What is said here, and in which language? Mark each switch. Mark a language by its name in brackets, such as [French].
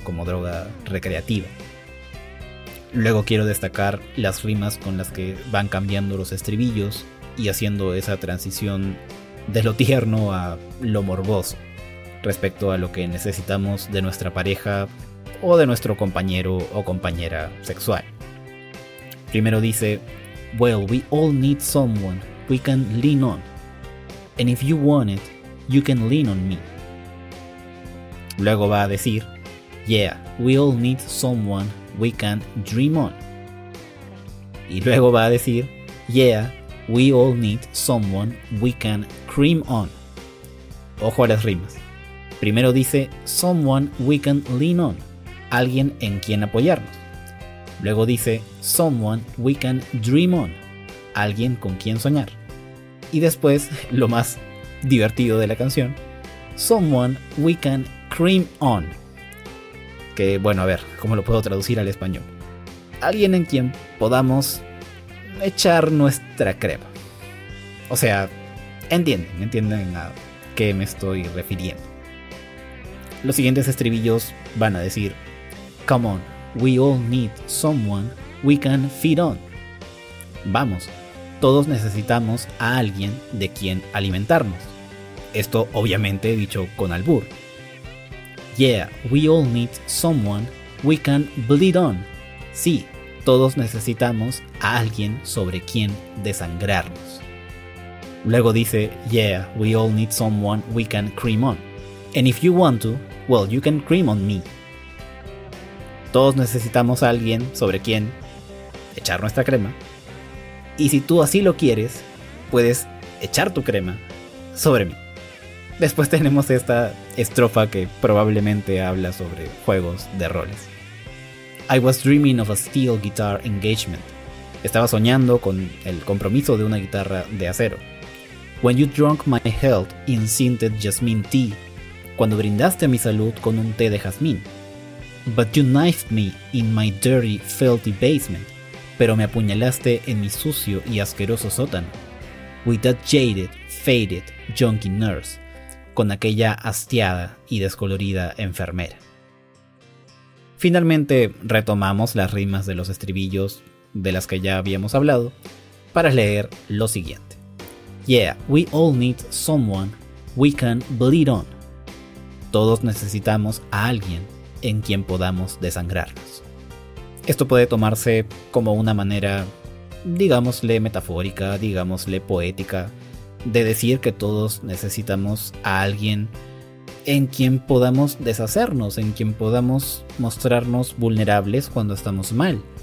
[Spanish] Como droga recreativa. Luego quiero destacar las rimas con las que van cambiando los estribillos y haciendo esa transición de lo tierno a lo morboso respecto a lo que necesitamos de nuestra pareja o de nuestro compañero o compañera sexual. Primero dice, [English] well, we all need someone we can lean on. And if you want it, you can lean on me. [Spanish] Luego va a decir, [English] yeah, we all need someone we can dream on. [Spanish] Y luego va a decir, [English] yeah, we all need someone we can cream on. [Spanish] Ojo a las rimas. Primero dice, [English] someone we can lean on. [Spanish] Alguien en quien apoyarnos. Luego dice, [English] someone we can dream on. [Spanish] Alguien con quien soñar. Y después, lo más divertido de la canción, [English] someone we can cream on. [Spanish] Que, bueno, a ver, ¿cómo lo puedo traducir al español? Alguien en quien podamos echar nuestra crema. O sea, entienden a qué me estoy refiriendo. Los siguientes estribillos van a decir, [English] come on, we all need someone we can feed on. [Spanish] Vamos, todos necesitamos a alguien de quien alimentarnos. Esto obviamente dicho con albur. [English] Yeah, we all need someone we can bleed on. [Spanish] Sí, todos necesitamos a alguien sobre quien desangrarnos. Luego dice, [English] yeah, we all need someone we can cream on. And if you want to, well, you can cream on me. [Spanish] Todos necesitamos a alguien sobre quien echar nuestra crema. Y si tú así lo quieres, puedes echar tu crema sobre mí. Después tenemos esta estrofa que probablemente habla sobre juegos de roles. [English] I was dreaming of a steel guitar engagement. [Spanish] Estaba soñando con el compromiso de una guitarra de acero. [English] When you drunk my health in scented jasmine tea. [Spanish] Cuando brindaste mi salud con un té de jazmín. [English] But you knifed me in my dirty, filthy basement. [Spanish] Pero me apuñalaste en mi sucio y asqueroso sótano. [English] With that jaded, faded, junkie nurse. [Spanish] Con aquella hastiada y descolorida enfermera. Finalmente retomamos las rimas de los estribillos de las que ya habíamos hablado para leer lo siguiente. [English] Yeah, we all need someone we can bleed on. [Spanish] Todos necesitamos a alguien en quien podamos desangrarnos. Esto puede tomarse como una manera, digámosle metafórica, digámosle poética, de decir que todos necesitamos a alguien en quien podamos deshacernos, en quien podamos mostrarnos vulnerables cuando estamos mal.